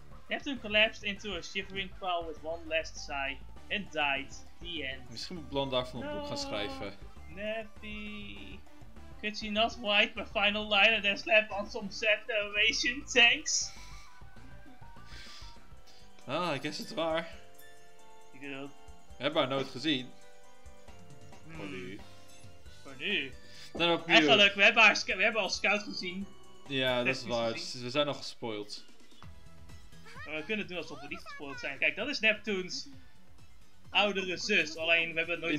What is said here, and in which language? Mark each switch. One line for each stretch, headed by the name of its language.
English: Neptune collapsed into a shivering pile with one last sigh and died. The end.
Dutch: Misschien moet Blonde daarvan een boek gaan schrijven. Nappy.
English: Could she not write my final line and then slap on some sad narration tanks? Ah, I guess it's waar.
Dutch: Ik bedoel. We hebben haar nooit gezien. Voor nu. Voor nu? Eigenlijk, we hebben al Scout gezien. Ja, dat is waar. Gezien. We zijn al gespoild. Maar we kunnen het doen alsof we niet gespoild zijn. Kijk, dat is Neptune's oudere zus. Alleen, we hebben het nooit